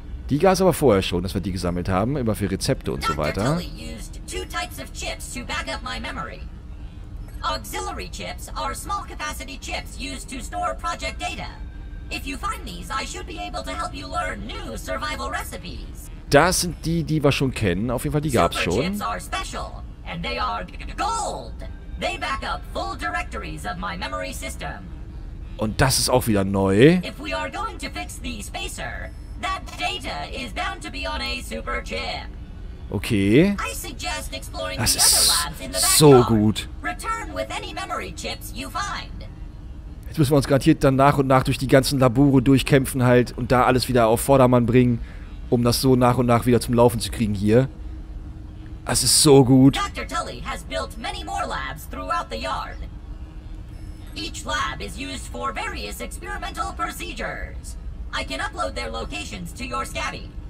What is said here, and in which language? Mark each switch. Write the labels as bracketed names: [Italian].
[German] Die gab es aber vorher schon, dass wir die gesammelt haben, immer für Rezepte und so weiter. [English] Two types of chips to back up my memory. Auxiliary chips are small capacity chips used to store project data. If you find these, I should be able to help you learn new survival recipes. [German] Das sind die, die wir schon kennen. Auf jeden Fall, die gab's schon. [English] Super chips are special, and they are gold. They back up full directories of my memory system. [German] Und das ist auch wieder neu. [English] If we are going to fix the spacer, that data is bound to be on a super chip. Okay. I suggest exploring [German] das [English] the other labs in the backyard. [German] So gut. [English] Return with any memory chips you find. [German] Jetzt müssen wir uns garantiert dann nach und nach durch die ganzen Labore durchkämpfen halt und da alles wieder auf Vordermann bringen, um das so nach und nach wieder zum Laufen zu kriegen hier. Das ist so gut. [English] Dr. Tully has built many more labs throughout the yard. Each lab is used for various experimental procedures. I can upload their locations to your scabby.